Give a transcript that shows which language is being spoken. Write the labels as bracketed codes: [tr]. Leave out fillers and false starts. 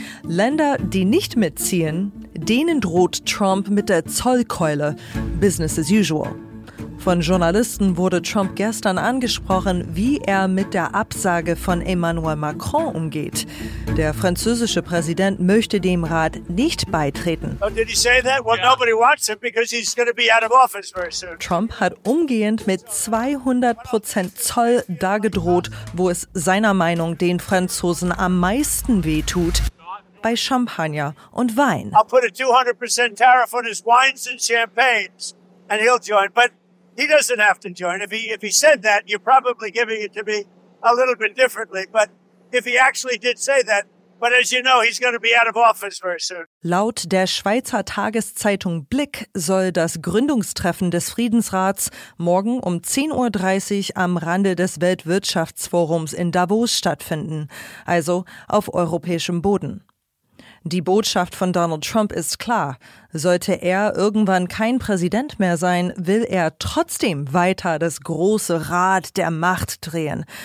[de] Länder, die nicht mitziehen, denen droht Trump mit der Zollkeule. [en] Business as usual. [de] Von Journalisten wurde Trump gestern angesprochen, wie er mit der Absage von Emmanuel Macron umgeht. Der französische Präsident möchte dem Rat nicht beitreten. [en] Oh, did he say that? Well, nobody wants him because he's going to be out of office very soon. [de] Trump hat umgehend mit 200% Zoll dargedroht, wo es seiner Meinung den Franzosen am meisten wehtut. Bei Champagner und Wein. [en] I'll put a 200% tariff on his wines and champagnes and he'll join. But he doesn't have to join. If he said that, you're probably giving it to me a little bit differently. But if he actually did say that, but as you know, he's going to be out of office very soon. [de] Laut der Schweizer Tageszeitung Blick soll das Gründungstreffen des Friedensrats morgen um 10.30 Uhr am Rande des Weltwirtschaftsforums in Davos stattfinden, also auf europäischem Boden. Die Botschaft von Donald Trump ist klar. Sollte er irgendwann kein Präsident mehr sein, will er trotzdem weiter das große Rad der Macht drehen.